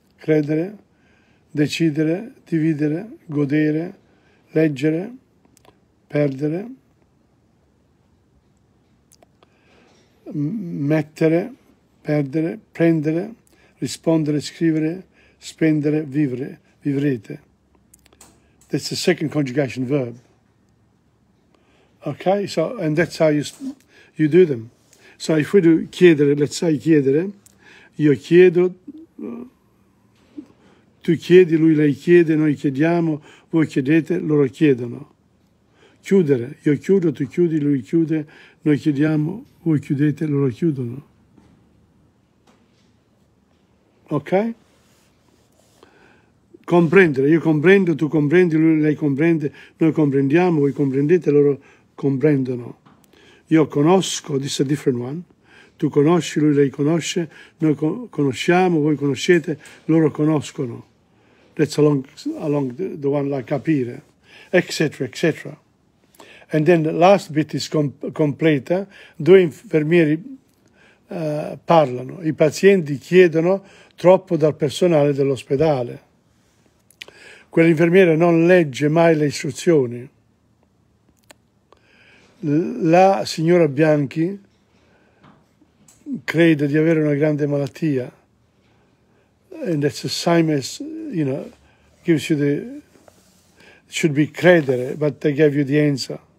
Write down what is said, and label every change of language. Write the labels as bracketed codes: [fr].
[it] Credere, decidere, dividere, godere, leggere, perdere, mettere, perdere, prendere, rispondere, scrivere, spendere, vivere, vivrete. [en] That's the second conjugation verb. Okay, so, and that's how you do them. So if we do chiedere, let's say chiedere, [it] io chiedo, tu chiedi, lui lei chiede, noi chiediamo, voi chiedete, loro chiedono. Chiudere, io chiudo, tu chiudi, lui chiude, noi chiediamo, voi chiudete, loro chiudono. Ok? comprendere, io comprendo, tu comprendi, lui, lei comprende, noi comprendiamo, voi comprendete, loro comprendono. Io conosco, [en] this is a different one. [it] Tu conosci, lui lei conosce, noi conosciamo, voi conoscete, loro conoscono. [en] That's along the one like capire, etc., etc. And then the last bit is completa. [it] Due infermieri parlano. I pazienti chiedono troppo dal personale dell'ospedale. Quell'infermiere non legge mai le istruzioni. La signora Bianchi crede di avere una grande malattia. [en] And that's the same as, you know, gives you the, should be credere, but they gave you the answer.